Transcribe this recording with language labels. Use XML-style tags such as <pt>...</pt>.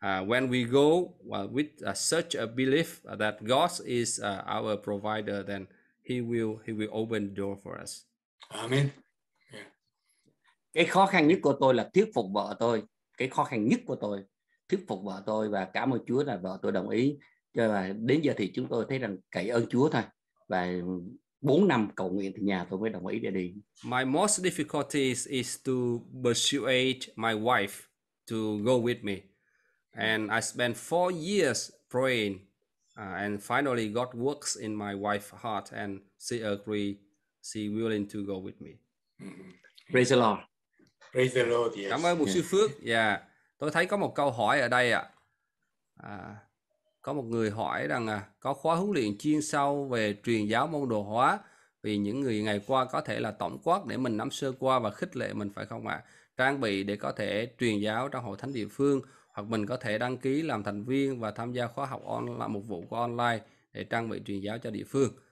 <en>When we go with such a belief that God is our provider, then he will open the door for us. Amen. Yeah.</en> <vi>Cái khó khăn nhất của tôi là thuyết phục vợ tôi. Cái khó khăn nhất của tôi thuyết phục vợ tôi, và cảm ơn Chúa là vợ tôi đồng ý. Cho đến giờ thì chúng tôi thấy rằng cậy ơn Chúa thôi. Và 4 năm cầu nguyện thì nhà tôi mới đồng ý để đi.</vi> <en>My most difficulties is to persuade my wife to go with me. And I spent 4 years praying and finally God works in my wife's heart and she agree, she willing to go with me. Praise the Lord. Praise the Lord. Yes.</en> <vi>Cảm ơn Mục sư Phước. Yeah. Tôi thấy có một câu hỏi ở đây ạ. Có một người hỏi rằng có khóa huấn luyện chuyên sâu về truyền giáo môn đồ hóa vì những người ngày qua có thể là tổng quát để mình nắm sơ qua và khích lệ mình phải không ạ? Trang bị để có thể truyền giáo trong hội thánh địa phương, hoặc mình có thể đăng ký làm thành viên và tham gia khóa học online, một vụ của online để trang bị truyền giáo cho địa phương.</vi>